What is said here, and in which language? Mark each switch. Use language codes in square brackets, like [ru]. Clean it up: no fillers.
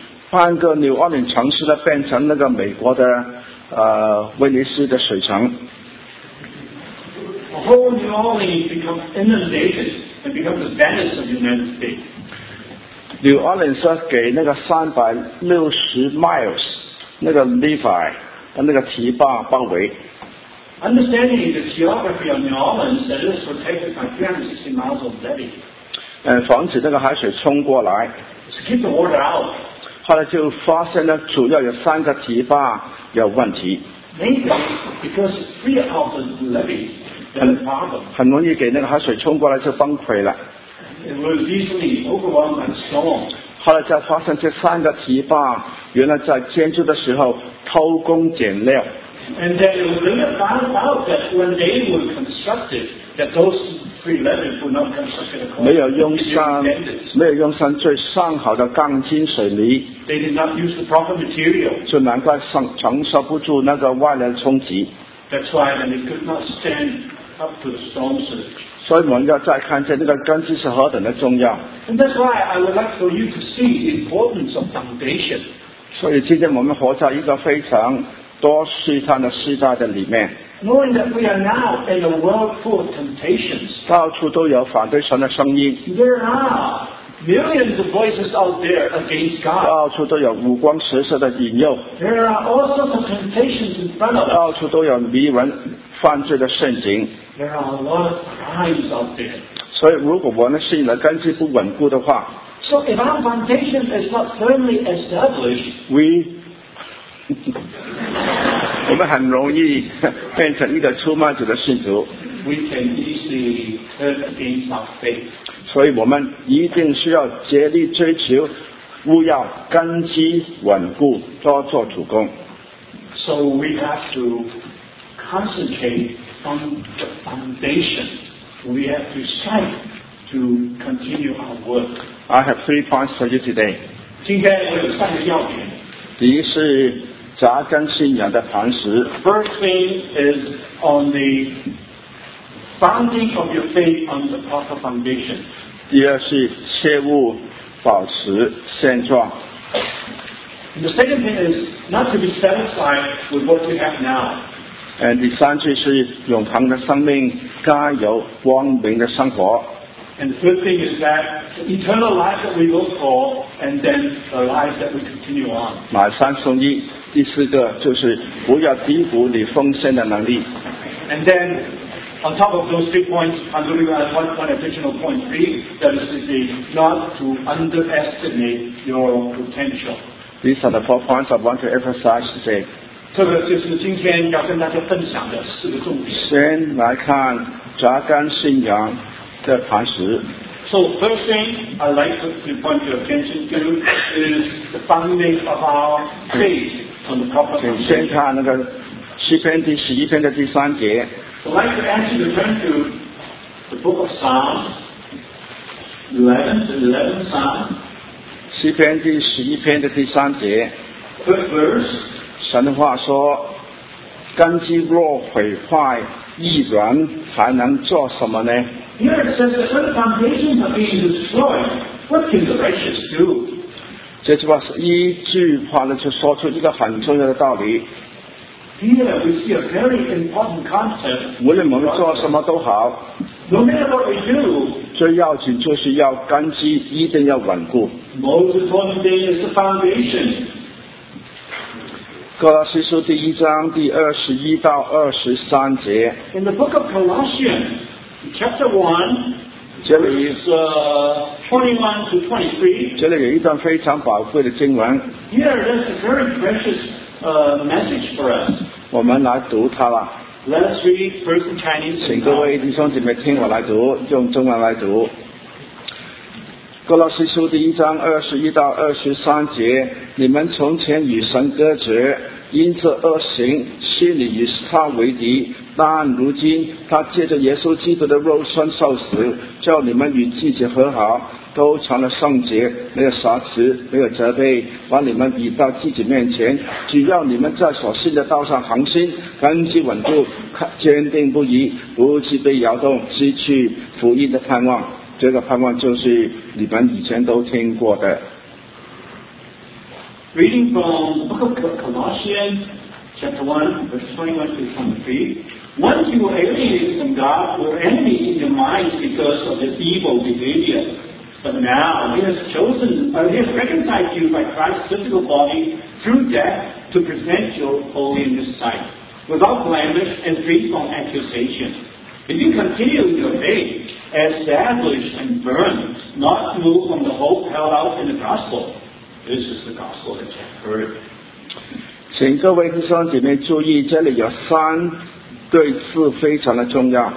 [zh] 半个纽奥林城市呢，变成那个美国的威尼斯的水城。 [en] The whole New Orleans becomes inundated and becomes the Venice of the United States. [zh] New Orleans 给那个 [en] 360 miles [zh] 那个 Levi 和那个堤坝包围 [en] Understanding the geography of New Orleans that is protected by 360 miles of levee [zh] 防止那个海水冲过来 [en] to keep the water out [zh] 后来就发现呢主要有三个堤坝有问题 [en] Mainly because three of the levee [zh] 很容易给那个海水冲过来就崩溃了 [en] It was easily overwhelmed and stormed. [zh] 后来才发现这三个堤坝原来在建筑的时候偷工减料。 [en] And then we found out that when they were constructed, that those three levees were not constructed. [zh] 没有用上最上好的钢筋水泥。 [en] They did not use the proper material. [zh] 就难怪承受不住那个外来冲击。 [en] That's why they could not stand up to the storm surge. [zh] 所以我们要再看见那个根基是何等的重要。 [en] And that's why I would like for you to see the importance of foundation. [zh] 所以今天我们活在一个非常多试探的时代的里面。 [en] Knowing that we are now in a world full of temptations. [zh] 到处都有反对神的声音。 [en] There are millions of voices out there against God. [zh] 到处都有五光十色的引诱。 [en] There are all sorts of temptations in front of us. [zh] 到处都有迷人犯罪的陷阱。 [en] There are a lot of crimes out there. So if our foundation is not firmly established, we can easily turn against our faith. So we can easily turn against our faith. So we need to strive to pursue the foundation, to do our work. So we have to concentrate. On the foundation, we have to strive to continue our work. I have three points for you today. [zh] 今天我有三个要点。第一是扎根信仰的磐石。 [en] First thing is on the founding of your faith on the proper foundation. [zh] 第二是切勿保持现状。 [en] And the second thing is not to be satisfied with what you have now. And [zh] 第三句是永恒的生命，加油光明的生活。 [en] And the third thing is that the eternal life that we look for, and then the life that we continue on. [zh] 买三送一。第四个就是不要低估你奉献的能力。 [en] And then, on top of those three points, I'm going to add one additional point, really, that is to say, not to underestimate your potential. These are the four points I want to emphasize today. [zh] 这个就是今天要跟大家分享的四个重点。先来看扎根信仰的磐石。 [en] So first thing I'd like to point your attention to is the founding of our faith. [zh] Okay, 先看那个诗篇第十一篇的第三节。 [en] I'd like to ask you to turn to the book of Psalms, 11 Psalm. [zh] 诗篇第十一篇的第三节。 [en] Third verse. [zh] 神的话说，根基若毁坏，一人还能做什么呢？ [en] Here it says that when the foundations are being destroyed, what can the righteous do? [zh] 这句话是一句话呢，就说出一个很重要的道理。 [en] Here we see a very important concept. [zh] 无论我们做什么都好 [en] ，No matter what we do, [zh] 最要紧就是要根基一定要稳固。 [en] Most important thing is the foundation. [zh] 哥罗西书第一章第二十一到二十三节。 [en] In the book of Colossians, chapter one. [zh] 这里是 21-23，这里有一段非常宝贵的经文。 [en] Here, that's a very precious message for us. [zh] 我们来读它吧。 [en] Let's read first in Chinese. [zh] 请各位弟兄姐妹听我来读，用中文来读。哥罗西书第一章二十一到二十三节，你们从前与神隔绝，因这恶行，心里与他为敌。但如今他借着耶稣基督的肉身受死，叫你们与自己和好，都成了圣洁，没有瑕疵，没有责备，把你们引到自己面前，只要你们在所信的道上恒心，根基稳固，坚定不移，不至被摇动，失去福音的盼望。这个盼望就是你们以前都听过的。 [en] Reading from Book of Colossians Chapter 1 Verse 21-23, Once you were alienated from God, were enemies in your minds because of this evil behavior. But now He has chosen, He has reconciled you by Christ's physical body through death to present you holy in His sight, without blemish and free from accusation. If you continue in your faith, established and burned, not moved from the hope held out in the gospel, this is the gospel that you have heard. [zh] 请各位弟兄姐妹注意，这里有三对字非常的重要。